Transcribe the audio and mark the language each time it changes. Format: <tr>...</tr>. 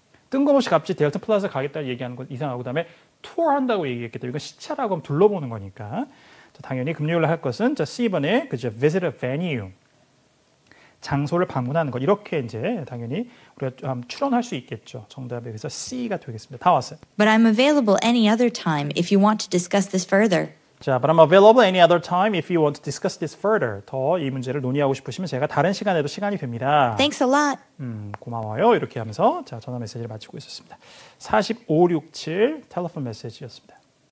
<ko>뜬금없이 갑자기 델튼 플라자 가겠다고 얘기하는 건 이상하고 그다음에 투어한다고 얘기했겠다. 이건 시차라고 하면 둘러보는 거니까. 자, 당연히 금요일에 할 것은 자, C번에 그죠?</ko> <en>Visit a venue.</en> <ko>장소를 방문하는 것. 이렇게 이제 당연히 우리가 추론할 수 있겠죠. 정답이 그래서 C가 되겠습니다. 다 왔어요.</ko> <en>But I'm available any other time if you want to discuss this further. 자, but I'm available any other time if you want to discuss this further.</en> <ko>더 이 문제를 논의하고 싶으시면 제가 다른 시간에도 시간이 됩니다.</ko> <en>Thanks a lot.</en> <ko>고마워요. 이렇게 하면서 자, 전화 메시지를 마치고 있었습니다. 4567 텔레폰 메시지였습니다.</ko>